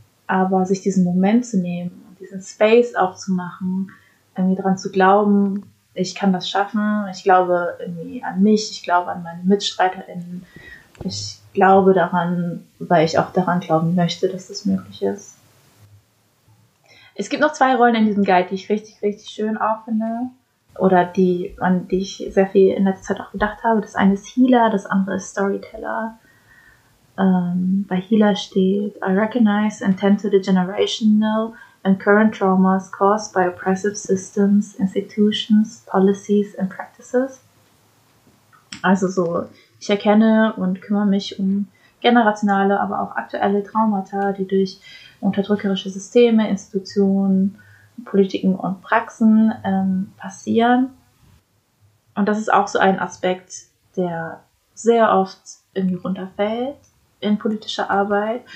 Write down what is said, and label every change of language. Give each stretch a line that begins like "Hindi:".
German: Aber sich diesen Moment zu nehmen, diesen Space aufzumachen, irgendwie dran zu glauben, ich kann das schaffen, ich glaube irgendwie an mich, ich glaube an meine MitstreiterInnen, ich glaube daran, weil ich auch daran glauben möchte, dass das möglich ist. Es gibt noch zwei Rollen in diesem Guide, die ich richtig, richtig schön auch finde. Oder die, an die ich sehr viel in letzter Zeit auch gedacht habe. Das eine ist Healer, das andere ist Storyteller. Bei Healer steht:
English: I recognize and tend to the generational and current traumas caused by oppressive systems, institutions, policies and practices.
German: Also so, ich erkenne und kümmere mich um generationale, aber auch aktuelle Traumata, die durch unterdrückerische Systeme, Institutionen, Politiken und Praxen passieren. Und das ist auch so ein Aspekt, der sehr oft irgendwie runterfällt in politischer Arbeit.